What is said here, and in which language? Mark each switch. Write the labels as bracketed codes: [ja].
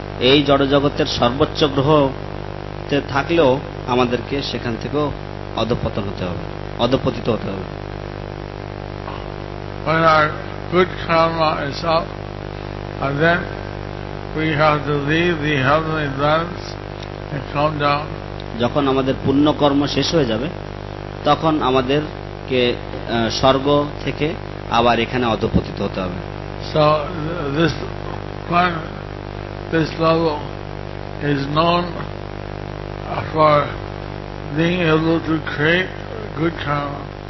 [bn] এই জড় জগতের সর্বোচ্চ গ্রহতে থাকলেও আমাদেরকে সেখান থেকেও অধঃপতন হতে হবে, অধঃপতিত হতে হবে. [en] When our good karma is up, and then we have to leave the heavenly realms and come down. [bn] যখন আমাদের পুণ্য কর্ম শেষ হয়ে যাবে তখন আমাদের কে স্বর্গ থেকে আবার এখানে অধঃপতিত হতে হবে. [en] So this level is known for being able to create good karma.